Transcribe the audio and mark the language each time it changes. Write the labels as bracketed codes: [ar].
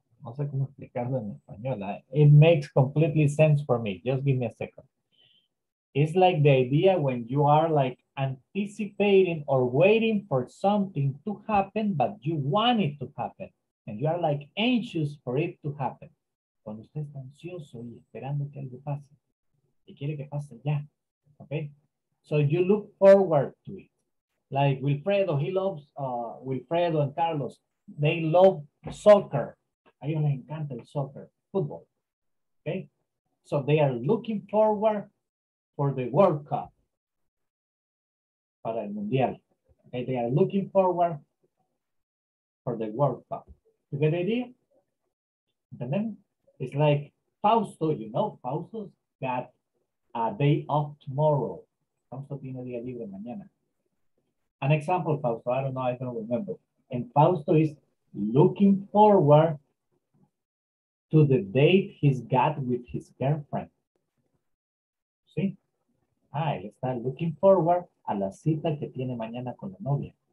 [es] No sé cómo explicarlo en español. [en] It makes completely sense for me. Just give me a second. It's like the idea when you are like anticipating or waiting for something to happen, but you want it to happen. And you are like anxious for it to happen. [es] Cuando usted está ansioso y esperando que algo pase. Y quiere que pase ya. [en] Okay? So you look forward to it. Like Wilfredo, he loves, Wilfredo and Carlos, they love soccer. [es] A ellos les encanta el soccer, football. Okay? [en] So they are looking forward for the World Cup. [es] Para el Mundial. [en] Okay? They are looking forward for the World Cup. You get the idea? [es] ¿Entendemos? [en] It's like Fausto, you know, Fausto's got a day off tomorrow. [es] Fausto tiene día libre mañana. [en] An example, Fausto, I don't know, I don't remember. And Fausto is looking forward to the date he's got with his girlfriend. [es] ¿Sí? Ah, él está [en] looking forward [es] a la cita que tiene mañana con la novia.